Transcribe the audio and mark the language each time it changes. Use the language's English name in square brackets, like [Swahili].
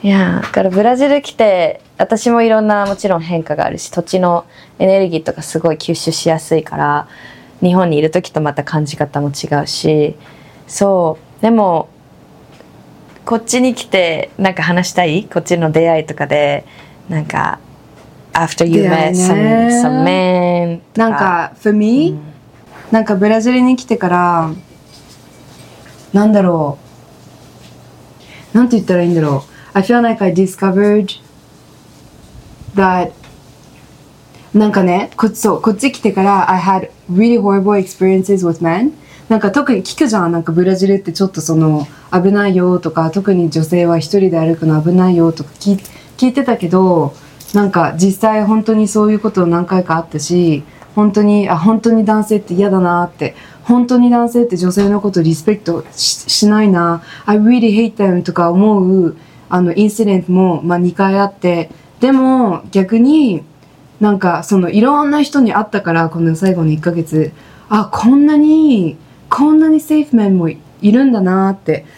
[Japanese] いや、だからブラジル来て私もいろんなもちろん変化があるし、土地のエネルギーとかすごい吸収しやすいから、日本にいる時とまた感じ方も違うし、そう、でもこっちに来てなんか話したい？こっちの出会いとかでなんか [English] After you met some man [Japanese] とか、なんか [English] For me、 [Japanese] うん、なんかブラジルに来てからなんだろう、なんて言ったらいいんだろう。 [English] I feel like I discovered that [Japanese] なんかね、こっち来てから [English] I had really horrible experiences with men。 [Japanese] なんか特に聞くじゃん。なんかブラジルってちょっとその危ないよとか、特に女性は一人で歩くの危ないよとか聞いてたけど、なんか実際本当にそういうこと何回かあったし、本当に男性って嫌だなって。本当に男性って女性のことリスペクト しないな、 [English] I really hate them [Japanese] とか思うあのインシデントも、まあ、2回あって、でも逆になんかそのいろんな人に会ったから、この最後の1ヶ月あこんなにセーフメンもいるんだなって。